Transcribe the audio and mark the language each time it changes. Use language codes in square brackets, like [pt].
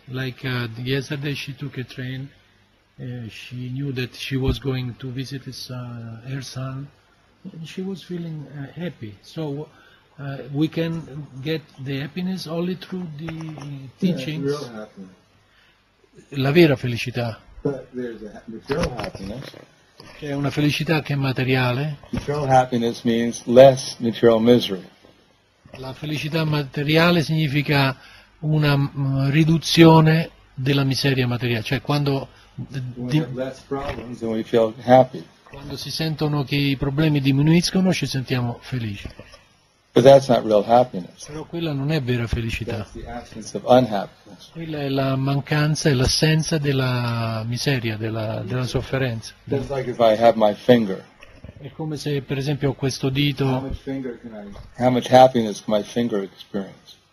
[en] Like yesterday, she took a train. She knew that she was going to visit her son. She was feeling happy. So we can get the happiness only through the teachings. Yeah, real happiness. [it] La vera felicità. [en] But there's a real happiness. [it] Che è una felicità che è materiale. [en] Material happiness means less material misery. [it] La felicità materiale significa una riduzione della miseria materiale, cioè quando [en] less problems, then we feel happy. [it] Quando si sentono che i problemi diminuiscono ci sentiamo felici. [en] But that's not real happiness. [it] Però quella non è vera felicità. [en] That's the absence of unhappiness. [it] Quella è la mancanza e l'assenza della miseria, della sofferenza. [en] That's like if I have my finger. [it] È come se, per esempio, ho questo dito. [en] How much happiness can my finger experience?